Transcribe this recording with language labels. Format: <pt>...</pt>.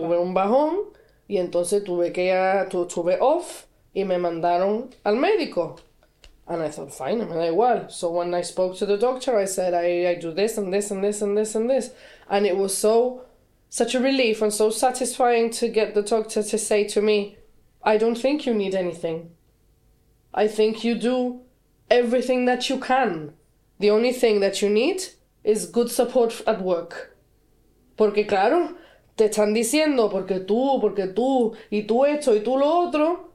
<es>Tuve un bajón y entonces tuve que ya tuve off y me mandaron al médico.</es> <en>And I thought, fine, I'm like, well. So when I spoke to the doctor, I said, I do this and this and this and this and this. And it was so, such a relief and so satisfying to get the doctor to say to me, I don't think you need anything. I think you do everything that you can. The only thing that you need is good support at work.</en> <es>Porque claro, te están diciendo, porque tú, y tú esto, y tú lo otro.</es>